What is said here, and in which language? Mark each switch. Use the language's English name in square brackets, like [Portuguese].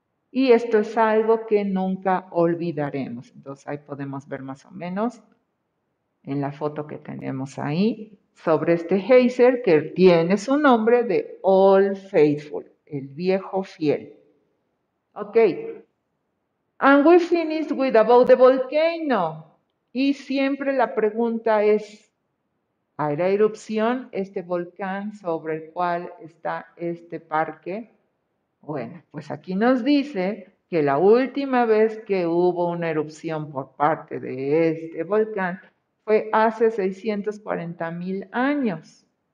[Spanish] Y esto es algo que nunca olvidaremos. Entonces, ahí podemos ver más o menos en la foto que tenemos ahí sobre este geyser que tiene su nombre de Old Faithful, el viejo fiel. Ok. [English] And we finished with about the volcano. [Spanish] Y siempre la pregunta es, ¿hará erupción este volcán sobre el cual está este parque? Bueno, pues aquí nos dice que la última vez que hubo una erupción por parte de este volcán fue hace 640 mil años.